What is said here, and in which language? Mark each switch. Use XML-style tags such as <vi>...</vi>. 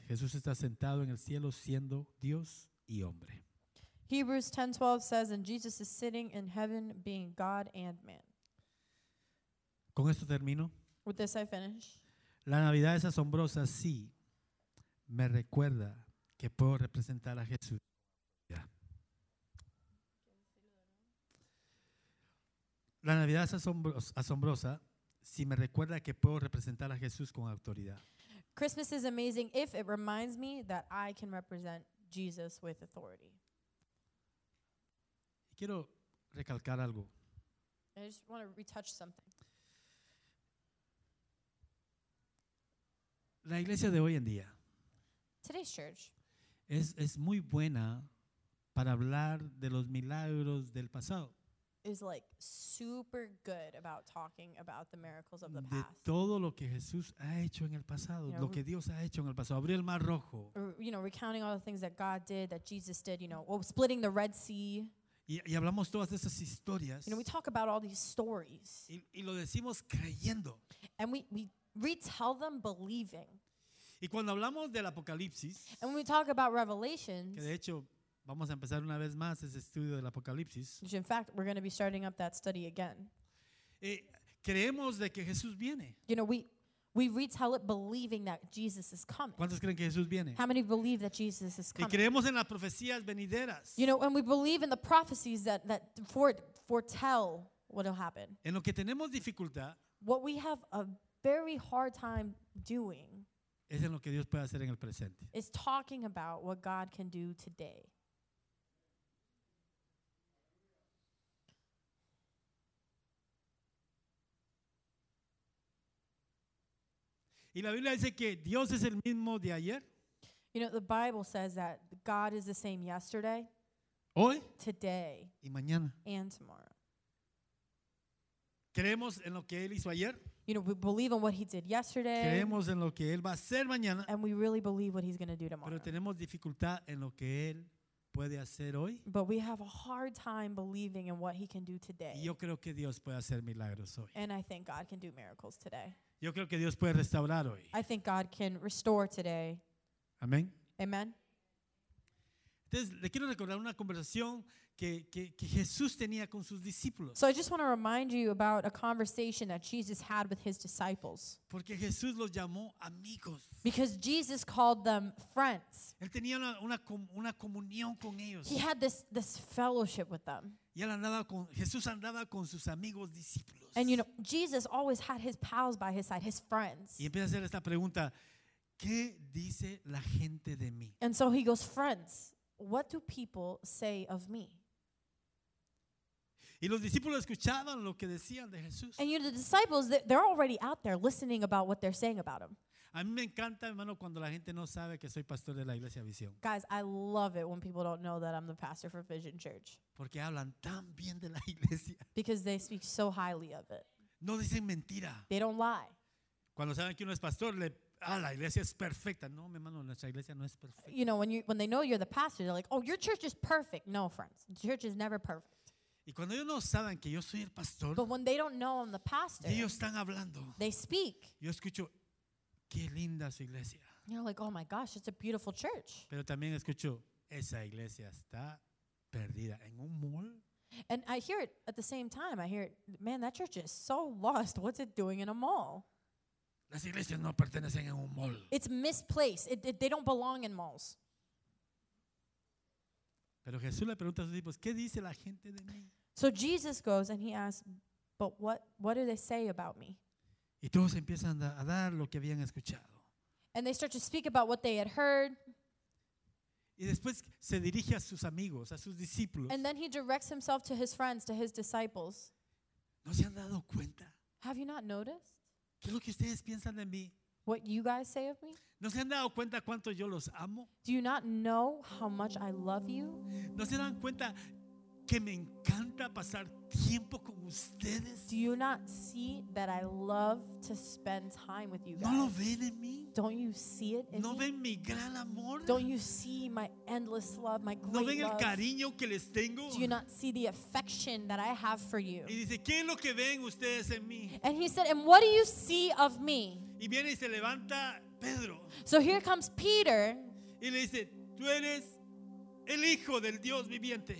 <es>Jesús está sentado en el cielo siendo Dios y hombre.</es> <en>Hebrews 10, 12 says, and Jesus is sitting in heaven being God and man.</en> <es>Con esto termino.</es> <en>With this I finish.</en> <es>La Navidad es asombrosa, sí. Me recuerda que puedo representar a Jesús. La Navidad es asombrosa, sí. Me recuerda que puedo representar a Jesús con autoridad.</es> <en>Christmas is amazing if it reminds me that I can represent Jesus with authority.</en> <es>Quiero recalcar algo.</es> <en>I just want to retouch something.</en> <es>La iglesia de hoy en día</es> <en>Today's church</en> <es>es muy buena para hablar de los milagros del pasado.</es> <en>Is like super good about talking about the miracles of the past.</en> <es>De todo lo que Jesús ha hecho en el pasado, lo que Dios ha hecho en el pasado, abrió el Mar Rojo.</es> <en>You know, recounting all the things that God did, that Jesus did, you know, well, splitting the Red Sea.</en> <es>Y hablamos todas esas historias.</es> <en>You know, we talk about all these stories.</en> <es>Y lo decimos creyendo.</es> <en>And we retell them believing.</en> <es>Y cuando hablamos del Apocalipsis,</es> <en>and when we talk about Revelations,</en> <es>que de hecho vamos a empezar una vez más ese estudio del Apocalipsis,</es> <en>which in fact we're going to be starting up that study again.</en> <es>Creemos de que Jesús viene.</es> <en>You know, we retell it believing that Jesus is coming.</en> <es>¿Cuántos creen que Jesús viene?</es> <en>How many believe that Jesus is coming?</en> <es>Y creemos en las profecías venideras.</es> <en>You know, and we believe in the prophecies that foretell what will happen.</en> <es>En lo que tenemos dificultad,</es> <en>what we have a very hard time doing</en> <es>es en lo que Dios puede hacer en el presente.</es> <en>Is talking about what God can do today.</en> <es>Y la Biblia dice que Dios es el mismo de ayer.</es> <en>You know, the Bible says that God is the same yesterday,</en> <es>hoy,</es> <en>today,</en> <es>y mañana,</es> <en>and tomorrow.</en> <es>¿Creemos en lo que Él hizo ayer?</es> <en>You know, we believe in what he did yesterday.</en> <es>Creemos en lo que él va a hacer mañana.</es> <en>And we really believe what he's going to do tomorrow.</en> <es>Pero tenemos dificultad en lo que él puede hacer hoy.</es> <en>But we have a hard time believing in what he can do today.</en> <es>Yo creo que Dios puede hacer milagros hoy.</es> <en>And I think God can do miracles today.</en> <es>Yo creo que Dios puede restaurar hoy.</es> <en>I think God can restore today.</en> <es>Amén.</es> <en>Amen.</en> <es>Entonces, le quiero recordar una conversación que Jesús tenía con sus discípulos.</es> <en>So I just want to remind you about a conversation that Jesus had with his disciples.</en> <es>Porque Jesús los llamó amigos.</es> <en>Because Jesus called them friends.</en> <es>Él tenía una comunión con ellos.</es> <en>He had this fellowship with them.</en> <es>Y él Jesús andaba con sus amigos discípulos.</es> <en>And you know, Jesus always had his pals by his side, his friends.</en> <es>Y empieza a hacer esta pregunta, ¿qué dice la gente de mí?</es> <en>And so he goes, friends, what do people say of me?</en> <es>Y los discípulos escuchaban lo que decían de Jesús.</es> <en>And you know, the disciples, they're already out there listening about what they're saying about him.</en> <es>A mí me encanta, hermano, cuando la gente no sabe que soy pastor de la iglesia Visión.</es> <en>Guys, I love it when people don't know that I'm the pastor for Vision Church.</en> <es>Porque hablan tan bien de la iglesia.</es> <en>Because they speak so highly of it.</en> <es>No dicen mentira.</es> <en>They don't lie.</en> <es>Cuando saben que uno es pastor, le la iglesia es perfecta. No, mi hermano, nuestra iglesia no es perfecta.</es> <en>You know, when they know you're the pastor, they're like, oh, your church is perfect. No, friends, the church is never perfect.</en> <es>Y cuando ellos no saben que yo soy el pastor,</es> <en>but when they don't know I'm the pastor,</en> <es>ellos están hablando.</es> <en>They speak.</en> <es>Yo escucho, qué linda su iglesia.</es> <en>You're like, oh my gosh, it's a beautiful church.</en> <es>Pero también escucho, esa iglesia está perdida en un mall.</es> <en>And I hear it at the same time. I hear it, man, that church is so lost. What's it doing in a mall?</en> <es>Las iglesias no pertenecen en un mall.</es> <en>It's misplaced. They don't belong in malls.</en> <es>Pero Jesús le pregunta a sus discípulos, ¿qué dice la gente de mí?</es> <en>So Jesus goes and he asks, but what do they say about me?</en> <es>Y todos empiezan a dar lo que habían escuchado.</es> <en>And they start to speak about what they had heard.</en> <es>Y después se dirige a sus amigos, a sus discípulos.</es> <en>And then he directs himself to his friends, to his disciples.</en> <es>¿No se han dado cuenta?</es> <en>Have you not noticed?</en> <es>¿Qué es lo que ustedes piensan de mí?</es> <en>What you guys say of me?</en> <es>¿No se han dado cuenta cuánto yo los amo?</es> <en>Do you not know how much I love you?</en> <es>¿No se dan cuenta que me encanta pasar tiempo con ustedes?</es> <en>Do you not see that I love to spend time with you guys?</en> <es>¿No lo ven en mí?</es> <en>Don't you see it in</en> <es>¿No</es> <en>me?</en> <es>¿No ven mi gran amor?</es> <en>Don't you see my endless love, my great</en> <es>¿No ven</es> <en>love?</en> <es>El cariño que les tengo?</es> <en>Do you not see the affection that I have for you?</en> <es>Y dice, ¿qué es lo que ven ustedes en mí?</es> <en>And he said, and what do you see of me?</en> <es>Y viene y se levanta Pedro.</es> <en>So here comes Peter.</en> <es>Y le dice, tú eres el hijo del Dios viviente.</es>